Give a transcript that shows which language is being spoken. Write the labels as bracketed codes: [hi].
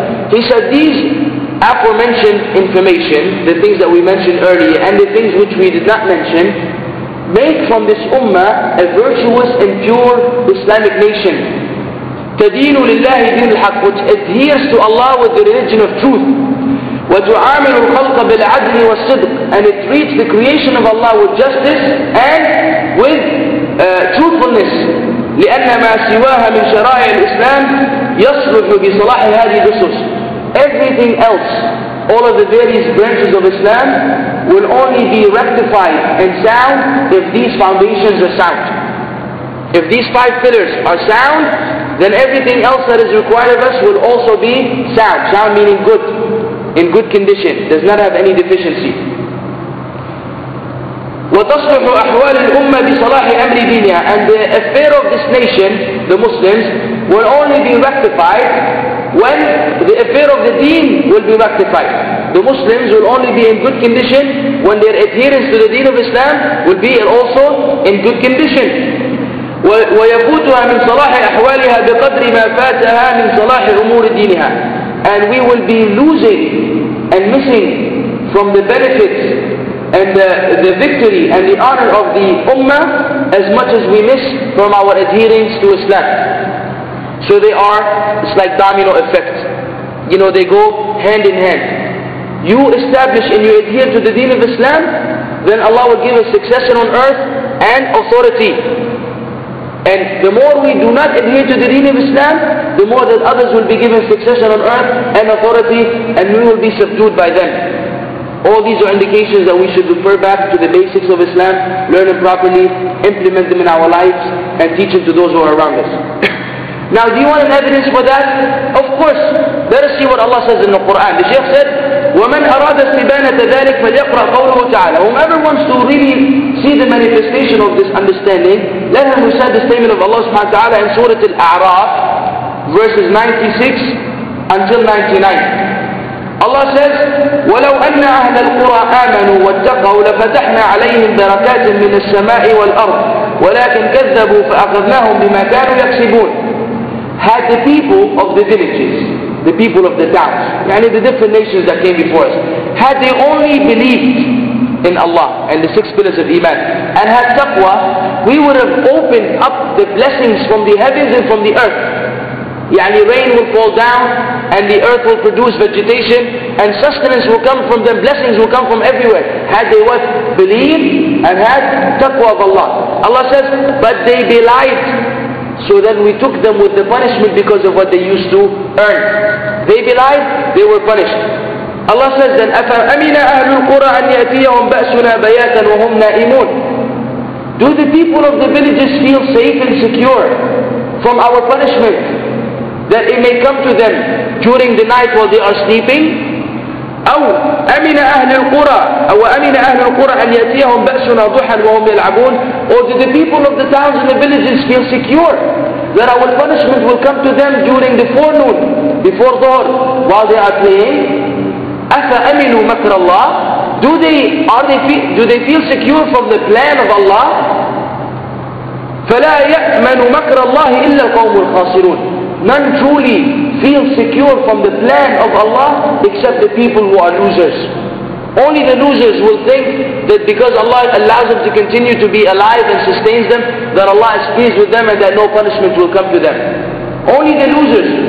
[en] He said, these aforementioned information, the things that we mentioned earlier and the things which we did not mention, make from this ummah a virtuous and pure Islamic nation. [ar] تدين لله دين الحق, [en] which adheres to Allah with the religion of truth. [ar] وتعامل الخلق بالعدل والصدق, [en] and it treats the creation of Allah with justice and with truthfulness. [ar] لأن ما سواها من شرائع الإسلام يصلح بصلاح هذه الأسس. [en] Everything else, all of the various branches of Islam, will only be rectified and sound if these foundations are sound. If these five pillars are sound, then everything else that is required of us will also be sound. Sound meaning good, in good condition, does not have any deficiency. [ar] وتصلح أحوال الأمة بصلاح أمر دينها, [en] and the affair of this nation, the Muslims, will only be rectified when the affair of the deen will be rectified. The Muslims will only be in good condition when their adherence to the deen of Islam will be also in good condition. [ar] ويفوتها من صلاح أحوالها بقدر ما فاتها من صلاح أمور دينها. [en] And we will be losing and missing from the benefits and the victory and the honor of the Ummah as much as we miss from our adherence to Islam. So they are, it's like domino effect. You know, they go hand in hand. You establish and you adhere to the deen of Islam, then Allah will give us succession on earth and authority. And the more we do not adhere to the deen of Islam, the more that others will be given succession on earth and authority, and we will be subdued by them. All these are indications that we should refer back to the basics of Islam, learn them properly, implement them in our lives, and teach them to those who are around us. Now, do you want an evidence for that? Of course. Let us see what Allah says in the Quran. The Shaykh said, [ar] وَمَنْ أَرَادَ اسْتِبَانَةَ ذَلِكَ فَلْيَقْرَأْ قَوْلُهُ تَعَالَى. [en] Whomever wants to really see the manifestation of this understanding, let him recite the statement of Allah subhanahu wa ta'ala in Surah Al-A'raf, verses 96 until 99. Allah says, [ar] وَلَوْ أَنَّ أَهْلَ الْقُرَى آمَنُوا وَاتَّقَوْا لَفَتَحْنَا عَلَيْهِمْ بَرَكَاتٍ مِنَ السَّمَاءِ وَالْأَرْضِ وَلَكِنْ كَذَّبُوا فَأَخَذْنَاهُمْ بِمَا كَانُوا يَكْسِبُونَ. [en] Had the people of the villages, the people of the towns, يعني the different nations that came before us, had they only believed in Allah and the six pillars of Iman and had taqwa, we would have opened up the blessings from the heavens and from the earth. يعني rain will fall down and the earth will produce vegetation and sustenance will come from them, blessings will come from everywhere. Had they what? Believed and had taqwa of Allah. Allah says, but they belied. So then we took them with the punishment because of what they used to earn. They belied, they were punished. Allah says then, [ar] أَفَأَمِنَ أَهْلُ الْقُرَىٰ أَنْ يَأْتِيَهُمْ بَأْسُنَا بَيَاتًا وَهُمْ نَائِمُونَ. [en] Do the people of the villages feel safe and secure from our punishment, that it may come to them during the night while they are sleeping? [ar] أَوْ أَمِنَ أَهْلُ الْقُرَىٰ أَوْ أَمِنَ أَهْلُ الْقُرَىٰ أَنْ يَأْتِيَهُمْ بَأْسُنَا ضُحًا وَهُمْ يَلْعَبُونَ. [en] Or do the people of the towns and the villages feel secure that our punishment will come to them during the forenoon, before dawn, while they are playing? [ar] أفأمنوا مكر الله؟ [en] Do they feel secure from the plan of Allah? [ar] فلا يأمن مكر الله إلا القوم الخاسرون. [en] None truly feel secure from the plan of Allah except the people who are losers. Only the losers will think that because Allah allows them to continue to be alive and sustains them, that Allah is pleased with them and that no punishment will come to them. Only the losers.